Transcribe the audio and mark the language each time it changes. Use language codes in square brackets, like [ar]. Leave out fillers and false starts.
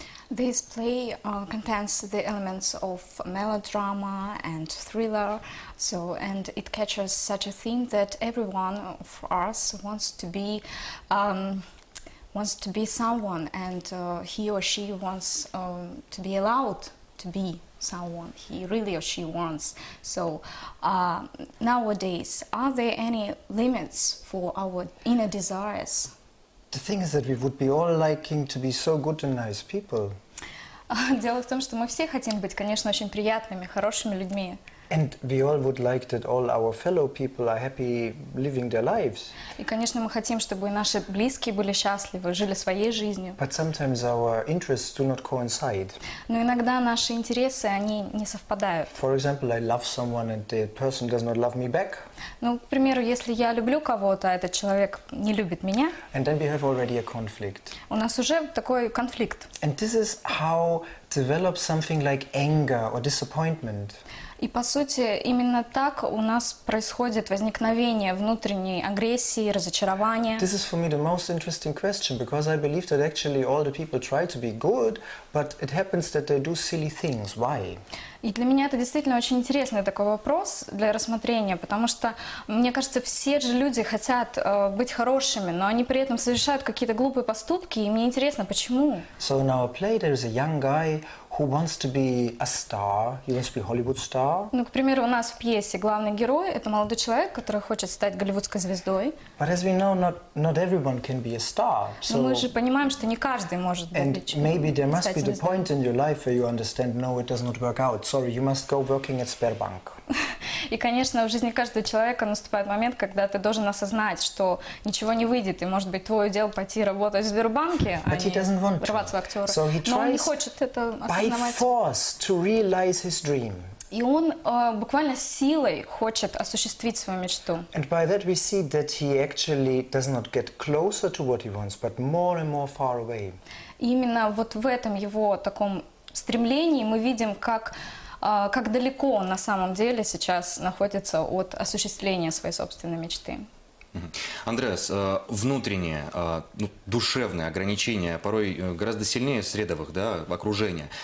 [en] This play contains the elements of melodrama and thriller, so and it catches such a theme that everyone of us wants to be someone, and he or she wants to be allowed to be someone he really or she wants. So nowadays, are there any limits for our inner desires? The thing is that we would be all liking to be so good and nice people. [ru] Дело в том, что мы все хотим быть, конечно, очень приятными, хорошими людьми. [en] And we all would like that all our fellow people are happy living their lives. [ru] И, конечно, мы хотим, чтобы наши близкие были счастливы, жили своей жизнью. [en] But sometimes our interests do not coincide. [ru] Но иногда наши интересы, они не совпадают. [en] For example, I love someone and the person does not love me back. [ru] Ну, к примеру, если я люблю кого-то, а этот человек не любит меня. [en] And then we have already a conflict. [ru] У нас уже такой конфликт. [en] And this is how develops something like anger or disappointment. [ru] И, по сути, именно так у нас происходит возникновение внутренней агрессии, разочарования. [en] This is for me the most interesting question, because I believe that actually all the people try to be good, but it happens that they do silly things. Why? [ru] И для меня это действительно очень интересный такой вопрос для рассмотрения, потому что, мне кажется, все же люди хотят быть хорошими, но они при этом совершают какие-то глупые поступки, и мне интересно, почему. [en] So in our play there is a young guy who wants to be a star, he wants to be a Hollywood star. [ru] Ну, к примеру, у нас в пьесе главный герой – это молодой человек, который хочет стать голливудской звездой. [en] But as we know, not everyone can be a star. [ru] Но мы же понимаем, что не каждый может быть звездой. [en] And maybe there must be the point in your life where you understand, no, it does not work out. Sorry, you must go working at Sberbank. [ru] И, конечно, в жизни каждого человека наступает момент, когда ты должен осознать, что ничего не выйдет, и, может быть, твое дело пойти работать в Сбербанке, [en] but [ru] а не врываться в актера. [en] So [ru] но он не хочет это осознавать. [en] By force to realize his dream. [ru] И он буквально силой хочет осуществить свою мечту. [en] And by that we see that he actually does not get closer to what he wants, but more and more far away. [ru] И именно вот в этом его таком стремлении мы видим, как далеко он на самом деле сейчас находится от осуществления своей собственной мечты. Андреас, внутренние, душевные ограничения порой гораздо сильнее средовых, да, окружения.